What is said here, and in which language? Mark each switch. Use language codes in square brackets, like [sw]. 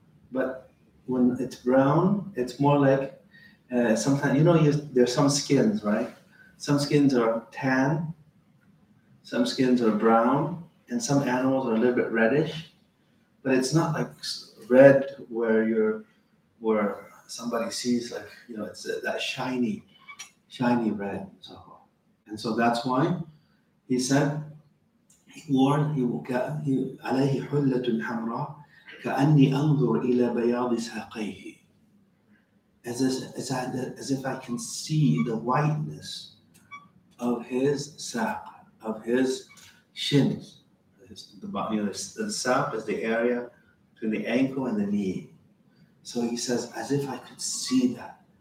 [en] But when it's brown, it's more like, sometimes, you know, there's some skins, right? Some skins are tan, some skins are brown, and some animals are a little bit reddish. But it's not like red where somebody sees, like, you know, it's that shiny red. So, and so that's why he said, [ar] عليه حلة حمراء كأني أنظر إلى بياض ساقيه. [en] As if I can see the whiteness of his saq, of his shins. The saq is the area between the ankle and the knee. So he says, as if I could see that.